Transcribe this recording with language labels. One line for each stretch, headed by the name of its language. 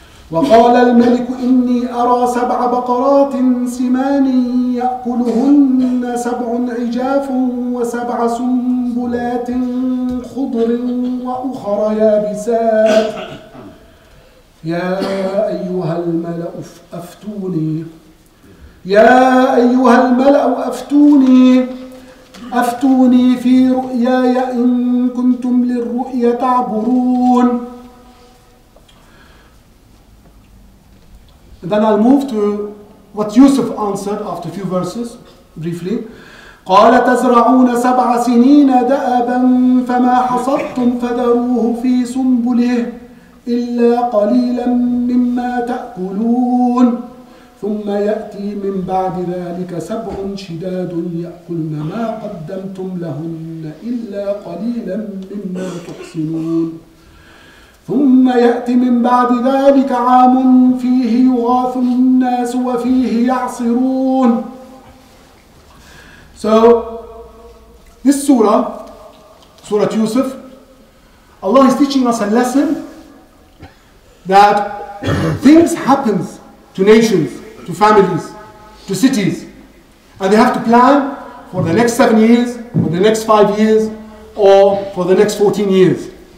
Arabic: وقال الملك إني أرى سبع بقرات سمان يأكلهن سبع عجاف وسبع سنبلات خضر وأخر يابسات يا أيها الملأ أفتوني أفتوني في رؤياي إن كنتم للرؤيا تعبرون.
English: Then I'll move to what Yusuf answered after a few verses, briefly.
Arabic: قال تزرعون سبع سنين دأبا فما حصدتم فذروه في سنبله إلا قليلا مما تأكلون ثم يأتي من بعد ذلك سبع شداد يأكلن ما قدمتم لهن إلا قليلا مما تحصنون ثم يأتي من بعد ذلك عام فيه يغاث الناس وفيه يعصرون.
English: So this surah, Surah Yusuf, Allah is teaching us a lesson that things happen to nations, to families, to cities, and they have to plan for the next 7 years, for the next 5 years, or for the next 14 years.